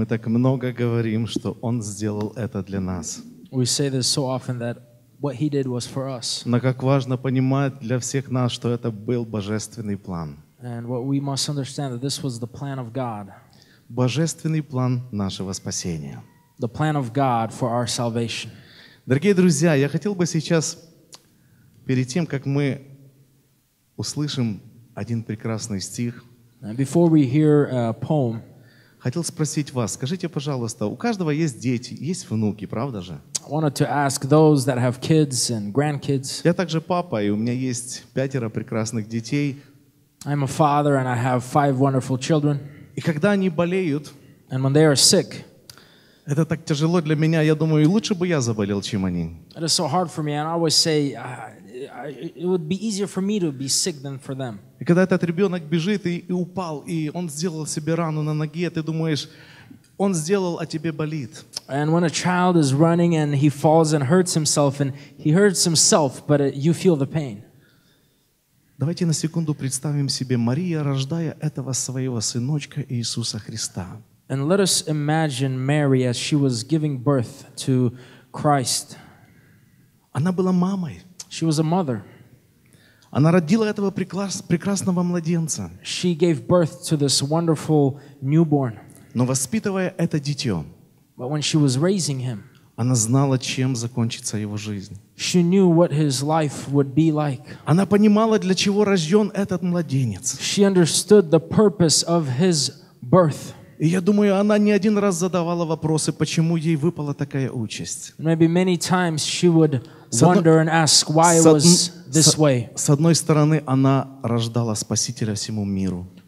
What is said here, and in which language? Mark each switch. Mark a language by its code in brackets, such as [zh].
[ru] Мы так много говорим, что Он сделал это для нас. [en] We say this so often that what He did was for us. [ru] Но как важно понимать для всех нас, что это был божественный план. [en] And what we must understand that this was the plan of God. [ru] Божественный план нашего спасения. [en] The plan of God for our salvation. [ru] Дорогие друзья, я хотел бы сейчас, перед тем, как мы услышим один прекрасный стих, [en] before we hear a poem, [ru] хотел спросить вас, скажите, пожалуйста, у каждого есть дети, есть внуки, правда же? [en] I wanted to ask those that have kids and grandkids. [ru] Я также папа, и у меня есть пятеро прекрасных детей. [en] I'm a father and I have five wonderful children. [ru] И когда они болеют, [en] and when they are sick, [ru] это так тяжело для меня, я думаю, лучше бы я заболел, чем они. [en] It is so hard for me, and I always say, it would be easier for me to be sick than for them. [ru] И когда этот ребенок бежит и упал, и он сделал себе рану на ноге, ты думаешь, он сделал, а тебе болит. [en] And when a child is running and he falls and he hurts himself, but you feel the pain. [ru] Давайте на секунду представим себе Мария, рождая этого своего сыночка Иисуса Христа. [en] And let us imagine Mary as she was giving birth to Christ. [ru] Она была мамой. [en] She was a mother. [ru] Она родила этого прекрасного младенца. [en] She gave birth to this wonderful newborn. [ru] Но воспитывая это дитё, [en] but when she was raising him, [ru] она знала, чем закончится его жизнь. [en] She knew what his life would be like. [ru] Она понимала, для чего рождён этот младенец. [en] She understood the purpose of his birth. [ru] И я думаю, она не один раз задавала вопросы, почему ей выпала такая участь. С одной стороны, она рождала Спасителя всему миру.